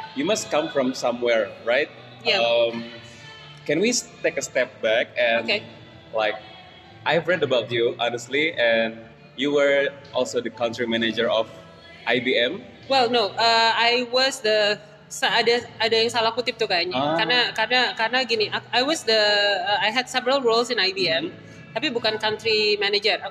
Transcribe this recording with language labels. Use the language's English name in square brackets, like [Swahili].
[English] you must come from somewhere, right? Yeah. Can we take a step back and, okay, like, I've read about you, honestly, and you were also the country manager of IBM. Well, no, I was the, [Indonesian] ada yang salah kutip tuh kayaknya. Karena gini, [English] I had several roles in IBM, [Indonesian] tapi bukan [English] country manager.